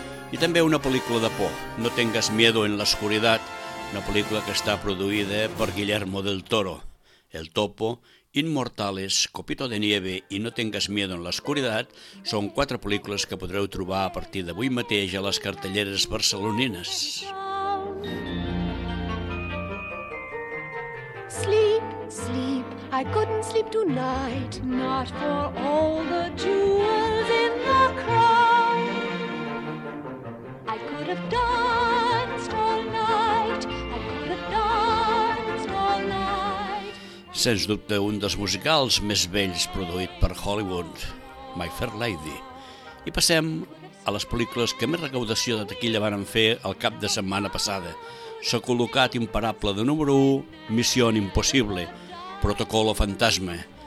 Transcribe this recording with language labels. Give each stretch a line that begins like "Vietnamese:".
Catalan: I també una pel·lícula de por, No tengas miedo en la oscuridad, una pel·lícula que està produïda per Guillermo del Toro, El Topo, Inmortales, Copito de Nieve i No tengas miedo en l'oscuridad són quatre pel·lícules que podreu trobar a partir d'avui mateix a les cartelleres barcelonines.
English: Sleep, sleep, I couldn't sleep tonight, not for all the jewels in the crown. I could have danced all night, I could have danced all night.
Catalan: Sens dubte, un dels musicals més vells produït per Hollywood, My Fair Lady. I passem a les pel·lícules que més recaudació de taquilla varen fer el cap de setmana passada. S'ha col·locat imparable de número 1, Mission Impossible, Protocolo Fantasma.